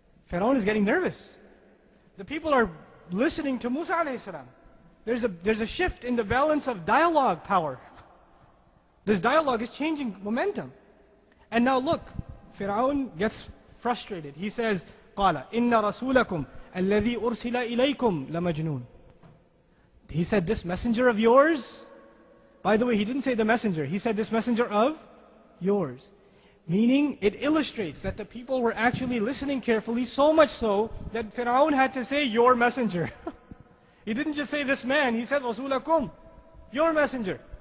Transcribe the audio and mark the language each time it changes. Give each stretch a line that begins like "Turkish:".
English: Fir'aun is getting nervous. The people are listening to Musa alayhi salam. There's a shift in the balance of dialogue power. This dialogue is changing momentum. And now look, Fir'aun gets frustrated. He says,
Arabic: قَالَ إِنَّ رَسُولَكُمْ الَّذِي أُرْسِلَ إِلَيْكُمْ لَمَجْنُونَ.
English: He said, this messenger of yours? By the way, he didn't say the messenger. He said, this messenger of yours. Meaning, it illustrates that the people were actually listening carefully, so much so that Fir'aun had to say, your messenger. He didn't just say this man, he said,
Arabic: رَسُولَكُمْ,
English: your messenger.